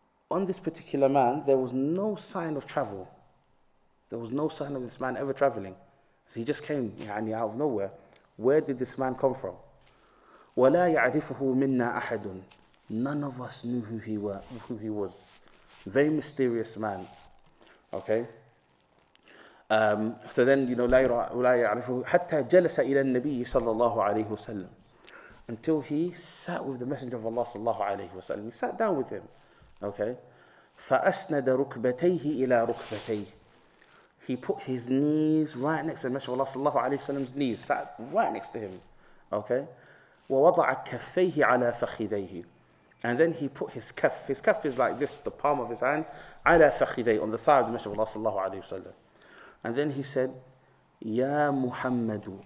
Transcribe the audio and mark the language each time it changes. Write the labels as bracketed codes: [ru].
[en] On this particular man, there was no sign of travel. There was no sign of this man ever traveling. So he just came يعني, out of nowhere. Where did this man come from? [ar] ولا يعرفه منا أحد. [en] None of us knew who he was. Very mysterious man. Okay. So then, you know, [ar] لا يرى ولا يعرفه حتى جلس إلى النبي صلى الله عليه وسلم. [en] Until he sat with the Messenger of Allah صلى الله عليه وسلم. He sat down with him. Okay. [ar] فأسند ركبتيه إلى ركبتيه. [en] He put his knees right next to the Messenger of Allah صلى الله عليه وسلم's knees. Sat right next to him. Okay. [ar] ووضع كفيه على فخذيه. [en] And then he put his kaf. His kaf is like this, the palm of his hand. [ar] على فخذيه. [en] On the thigh of the Messenger of Allah صلى الله عليه وسلم. And then he said, [ar] يا محمد.